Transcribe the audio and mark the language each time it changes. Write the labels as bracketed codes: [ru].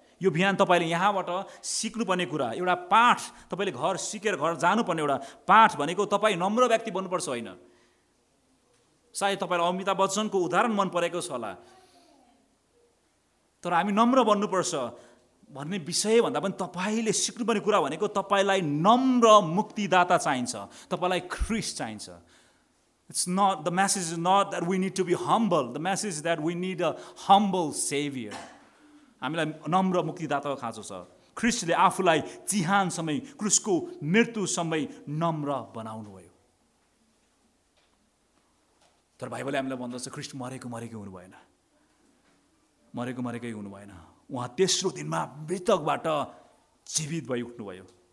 [ne] यो बिहान तपाईँले यहाँबाट सिक्नुपर्ने कुरा, एउटा पाठ, तपाईँले घर सिकेर घर जानुपर्ने एउटा पाठ भनेको तपाईँ नम्र व्यक्ति बन्नुपर्छ होइन। सायद तपाईँलाई अमिताभ बच्चनको उदाहरण मन परेको छ होला, तर हामी नम्र बन्नुपर्छ भन्ने विषयभन्दा पनि तपाईँले सिक्नुपर्ने कुरा भनेको तपाईँलाई नम्र मुक्तिदाता चाहिन्छ, तपाईँलाई ख्रिस्ट चाहिन्छ। [en] It's not the message is not that we need to be humble, the message that we need a humble saviour. [ne] हामीलाई नम्र मुक्तिदाताको खाँचो छ। ख्रिस्टले आफूलाई चिहान समय क्रुसको मृत्यु समय नम्र बनाउनुभयो। तर भाइबलले हामीलाई भन्दछ ख्रिस्ट मरेको मरेकै हुनु भएन, मरेको मरेकै हुनु भएन, उहाँ तेस्रो दिनमा मृतकबाट जीवित भई उठ्नुभयो।